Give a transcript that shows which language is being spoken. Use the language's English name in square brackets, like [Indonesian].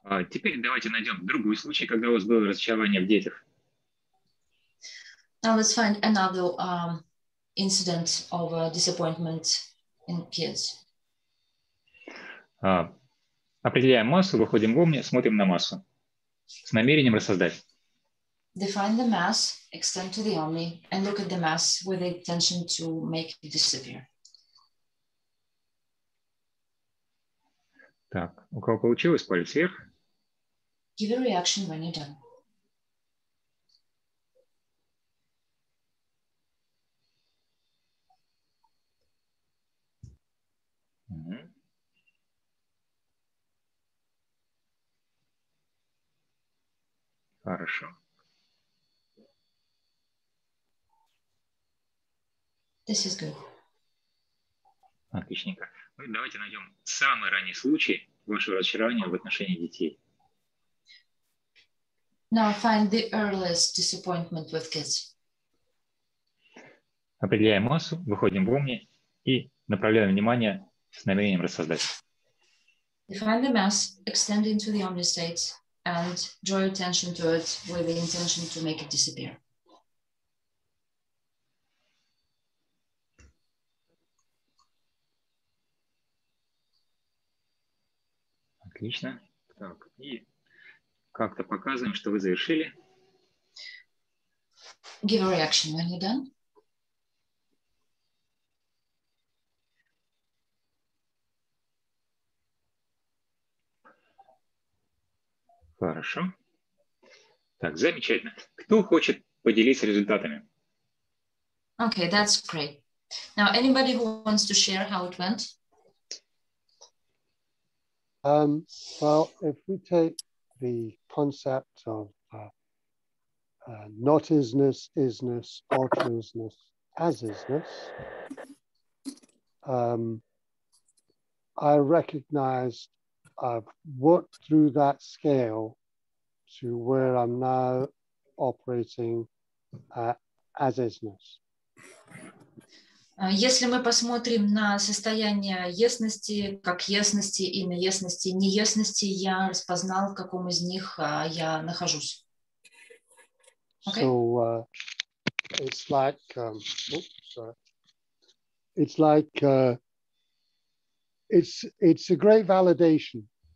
[Russian] Теперь давайте найдем другой случай, когда у вас было разочарование в детях. [English] Now let's find another incident of disappointment in kids. [Russian] Определяем массу, выходим в умни, смотрим на массу с намерением рассоздать. [English] Define the mass, extend to the omni, and look at the mass with the intention to make it disappear. [Russian] Так, у кого получилось, палец вверх. [English] Give a reaction when you're done. [Russian] Хорошо. [English] This is good. [Russian] Отличненько. Ну, давайте найдем самый ранний случай вашего разочарования в отношении детей. [English] Now find the earliest disappointment with kids. [Russian] Определяем массу, выходим в умни и направляем внимание с намерением рассоздать. [English] Define the mass, extend into the omni state, and draw attention to it with the intention to make it disappear. [Russian] Отлично. Так, и как-то показываем, что вы завершили. [English] Give a reaction when you're done. [Russian] Хорошо. Так, замечательно. Кто хочет поделиться результатами? [English] Okay, that's great. Now, anybody who wants to share how it went? Well, if we take the concept of not isness, isness, auto-isness, as-isness, I recognized I've worked through that scale to where I'm now operating as-isness. [Russian] Если мы посмотрим на состояние ясности, как ясности и неясности, неясности, я распознал, в каком из них я нахожусь. [English] Okay. So it's like, it's a great validation.